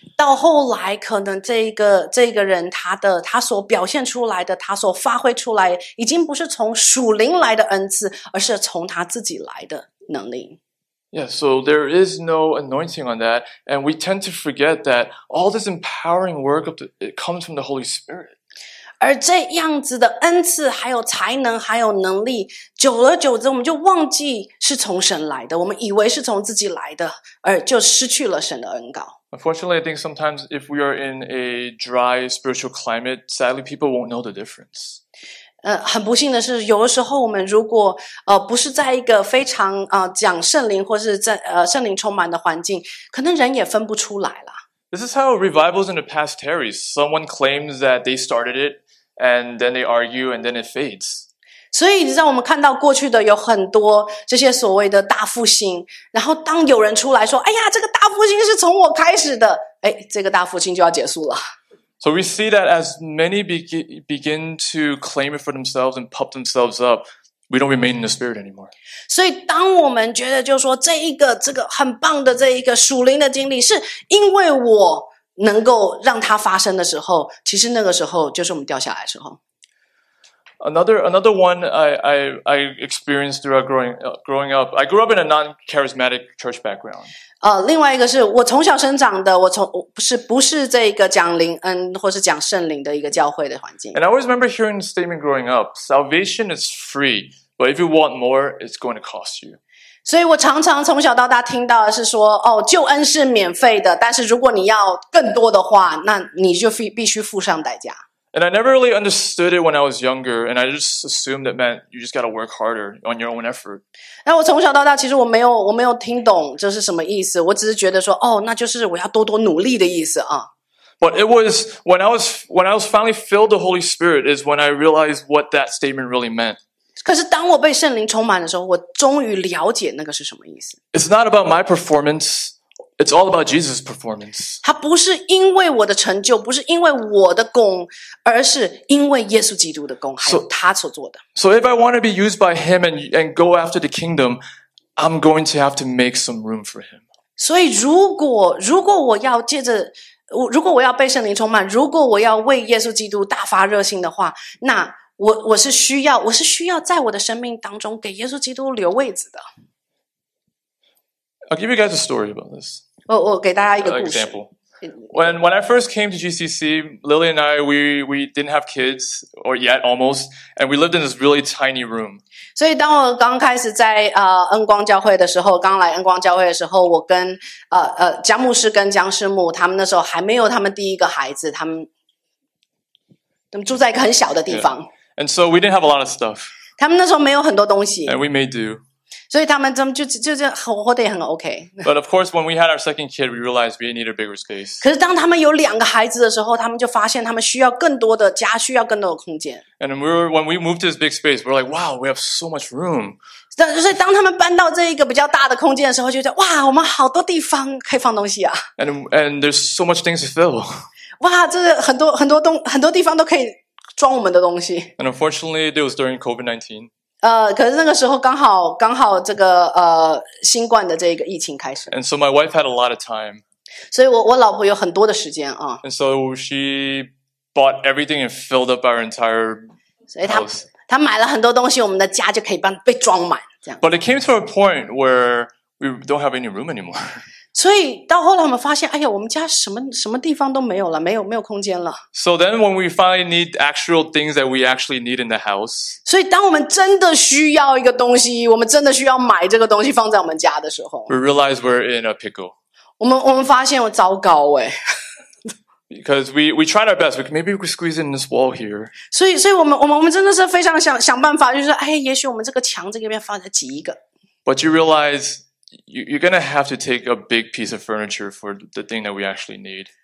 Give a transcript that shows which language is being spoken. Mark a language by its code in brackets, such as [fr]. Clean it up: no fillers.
[zh] 到后来，可能这个人他所表现出来的，他所发挥出来，已经不是从属灵来的恩赐，而是从他自己来的能力。 [en] Yeah, so there is no anointing on that, and we tend to forget that all this empowering work of it comes from the Holy Spirit. [zh] 而这样子的恩赐，还有才能，还有能力，久而久之，我们就忘记是从神来的，我们以为是从自己来的，而就失去了神的恩膏。 [en] Unfortunately, I think sometimes if we are in a dry spiritual climate, sadly, people won't know the difference. [zh] 很不幸的是，有的时候我们如果不是在一个非常讲圣灵或是在圣灵充满的环境，可能人也分不出来了。 [en] This is how revivals in the past tarry. Someone claims that they started it, and then they argue, and then it fades. [zh] 所以让我们看到过去的有很多这些所谓的大复兴，然后当有人出来说：“哎呀，这个大复兴是从我开始的。” 哎，这个大复兴就要结束了。 [en] So we see that as many begin to claim it for themselves and pump themselves up, we don't remain in the spirit anymore. [zh] 所以当我们觉得就是说这个很棒的这一个属灵的经历是因为我能够让它发生的时候，其实那个时候就是我们掉下来的时候。 [en] Another one I experienced throughout growing up. I grew up in a non-charismatic church background. [zh] 另外一个是我从小生长的，不是这个讲灵恩或是讲圣灵的一个教会的环境。 [en] And I always remember hearing the statement growing up: salvation is free, but if you want more, it's going to cost you. [zh] 所以我常常从小到大听到的是说，哦，救恩是免费的，但是如果你要更多的话，那你就必须付上代价。 [en] And I never really understood it when I was younger, and I just assumed that meant you just got to work harder on your own effort. [zh] 那我从小到大其实我没有听懂这是什么意思，我只是觉得说，哦，那就是我要多多努力的意思啊。 [en] But it was when I was finally filled the Holy Spirit is when I realized what that statement really meant. [zh] 可是当我被圣灵充满的时候，我终于了解那个是什么意思。 [en] It's not about my performance. It's all about Jesus' performance. [zh] 它不是因为我的成就，不是因为我的功，而是因为耶稣基督的功，还有他所做的。 [en] So if I want to be used by him and go after the kingdom, I'm going to have to make some room for him. [zh] 所以如果我要借着如果我要被圣灵充满，如果我要为耶稣基督大发热心的话，那我是需要在我的生命当中给耶稣基督留位置的。 [en] I'll give you guys a story about this. [zh] 我给大家一个故事。 [en] Example. When I first came to GCC, Lily and I, we didn't have kids, or yet almost, and we lived in this really tiny room. [zh] 所以当我刚开始在恩光教会的时候，刚来恩光教会的时候，我跟江牧师跟江师母，他们那时候还没有他们第一个孩子，他们住在一个很小的地方。 [en] Yeah. And so we didn't have a lot of stuff. [zh] 他们那时候没有很多东西。 [en] And we made do. [zh] 所以他们就活得也很 OK。 [en] But of course, when we had our second kid, we realized we needed a bigger space. [zh] 可是当他们有两个孩子的时候，他们就发现他们需要更多的家，需要更多的空间。 [en] And when we moved to this big space, we're like, wow, we have so much room. [zh] 所以当他们搬到这一个比较大的空间的时候，就觉得哇，我们好多地方可以放东西啊。 [en] And there's so much things to fill. [zh] 哇，这是很多很多东很多地方都可以装我们的东西。 [en] And unfortunately, it was during COVID-19. [zh] 可是那个时候刚好这个新冠的这个疫情开始。 [en] And so my wife had a lot of time. [zh] 所以我老婆有很多的时间啊。 [en] And so she bought everything and filled up our entire house. [zh] 他买了很多东西，我们的家就可以被装满，这样。 [en] But it came to a point where we don't have any room anymore. [zh] 所以到后来我们发现，哎呀，我们家什么地方都没有了，没有空间了。 [en] So then when we finally need actual things that we actually need in the house. [zh] 所以当我们真的需要一个东西，我们真的需要买这个东西放在我们家的时候。 [en] We realize we're in a pickle. [zh] 我们发现我糟糕哎。 [en] Because we tried our best, maybe we could squeeze in this wall here. [zh] 所以我们真的是非常想办法，就是哎，也许我们这个墙这个边放再挤一个。 [en] But you realize you're gonna have to take a big piece of furniture for the thing that we actually need.